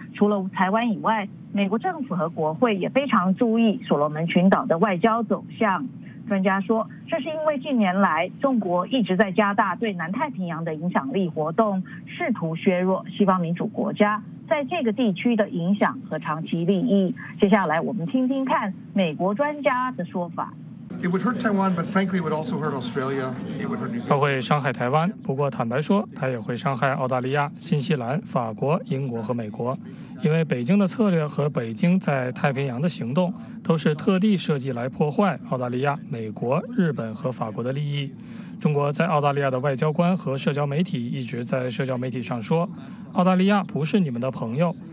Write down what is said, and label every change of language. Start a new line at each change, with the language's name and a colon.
Chinese: 除了台湾以外，美国政府和国会也非常注意所罗门群岛的外交走向。专家说，这是因为近年来中国一直在加大对南太平洋的影响力活动，试图削弱西方民主国家在这个地区的影响和长期利益。接下来我们听听看美国专家的说法。
English: It would hurt Taiwan, but frankly, it would also hurt Australia. It would hurt New Zealand.
Chinese: 它会伤害台湾，不过坦白说，它也会伤害澳大利亚、新西兰、法国、英国和美国，因为北京的策略和北京在太平洋的行动都是特地设计来破坏澳大利亚、美国、日本和法国的利益。中国在澳大利亚的外交官和社交媒体一直在社交媒体上说，澳大利亚不是你们的朋友。